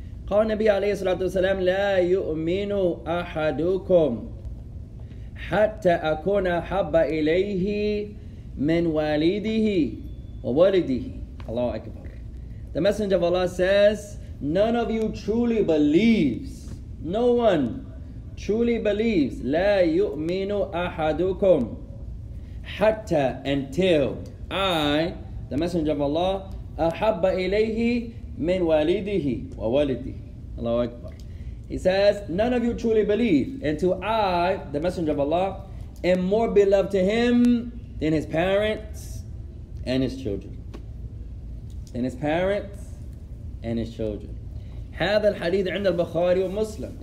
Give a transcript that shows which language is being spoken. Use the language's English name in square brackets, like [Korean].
[Arabic] قال النبي عليه الصلاة والسلام لا يؤمن أحدكم حتى أكون أحب إليه من والده وولده. الله أكبر. [English] The Messenger of Allah says, none of you truly believes. No one truly believes. [Arabic] لا يؤمن أحدكم حتى [English] until I, the Messenger of Allah, [Arabic] أحب إليه من والده وولده. Allahu Akbar. [English] He says, none of you truly believe until I, the Messenger of Allah, am more beloved to him than his parents and his children. Than his parents and his children. [Arabic] هذا الحديث عند البخاري ومسلم.